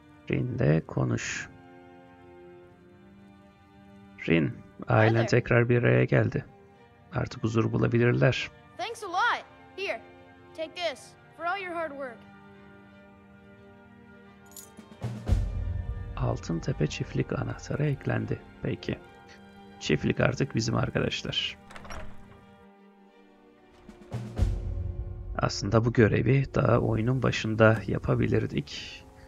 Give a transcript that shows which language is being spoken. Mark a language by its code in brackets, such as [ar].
[tr] Rin'le konuş. Rin, ailen tekrar bir araya geldi. Artık huzur bulabilirler. [en] Thanks a lot. Here, take this for all your hard work. [tr] Altın Tepe çiftlik anahtarı eklendi. Peki. Çiftlik artık bizim arkadaşlar. Aslında bu görevi daha oyunun başında yapabilirdik.